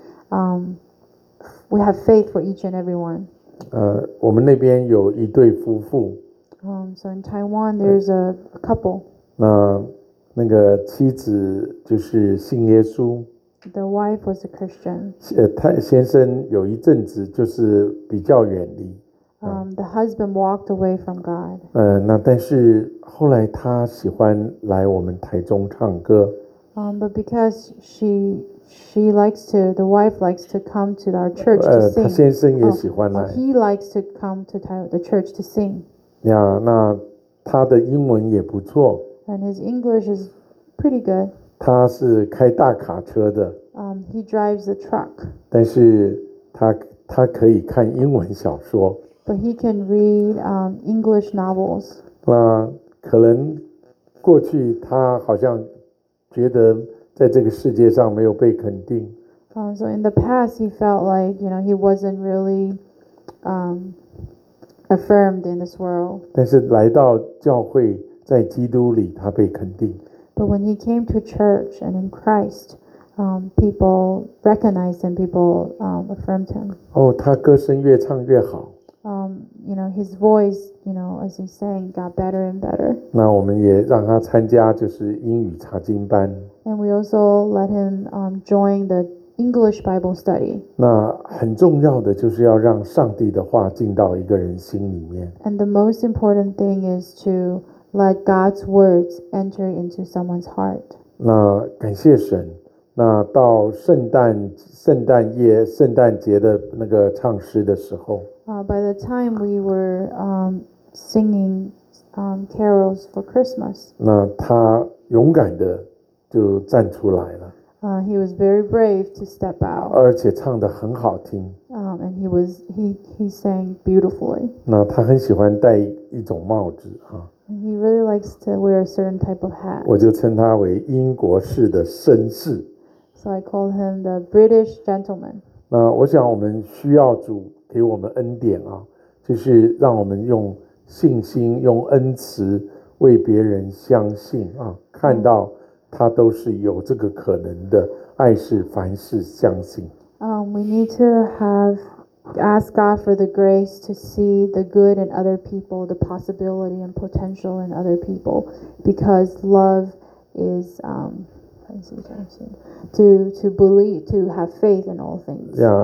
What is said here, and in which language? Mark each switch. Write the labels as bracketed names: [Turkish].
[English] We have faith for each and every one. [Chinese] 我们那边有一对夫妇。 [English] So in Taiwan, there's a couple. [Chinese] 那个妻子就是信耶稣。 [English] The wife was a Christian. [Chinese] 先生有一阵子就是比较远离。 [English] The husband walked away from God. [Chinese] 那但是后来他喜欢来我们台中唱歌。 [English] But because she likes to, the wife likes to come to our church to sing. [Chinese] 他先生也喜欢来。 [English] He likes to come to the church to sing. [Chinese] 那他的英文也不错。 [English] And his English is pretty good. [Chinese] 他是开大卡车的。 [English] He drives a truck. [Chinese] 但是他可以看英文小说。 [English] But he can read English novels. [Chinese] 那可能过去他好像觉得在这个世界上没有被肯定。 [English] So in the past, he felt like, you know, he wasn't really affirmed in this world. [Chinese] 但是来到教会，在基督里，他被肯定。 [English] But when he came to church and in Christ, people recognized him, people affirmed him. [Chinese] 他歌声越唱越好。 [English] You know, his voice, you know, as he sang, got better and better. [Chinese] 那我们也让他参加就是英语查经班。 [English] And we also let him join the English Bible study. [Chinese] 那很重要的就是要让上帝的话进到一个人心里面。 [English] And the most important thing is to let God's words enter into someone's heart. [Chinese] 那感谢神。那到圣诞节的那个唱诗的时候。 [English] By the time we were singing carols for Christmas, [Chinese] 那他勇敢的就站出来了。 [English] He was very brave to step out. [Chinese] 而且唱得很好听。 [English] And he sang beautifully. [Chinese] 那他很喜欢戴一种帽子啊。 [English] He really likes to wear a certain type of hat. [Chinese] 我就称他为英国式的绅士。 [English] So I called him the British gentleman. [Chinese] 那我想我们需要主。给我们恩典啊，就是让我们用信心、用恩慈为别人相信啊，看到他都是有这个可能的，爱是凡事相信。 [English] We need to ask God for the grace to see the good in other people, the possibility and potential in other people, because love is to believe, to have faith in all things.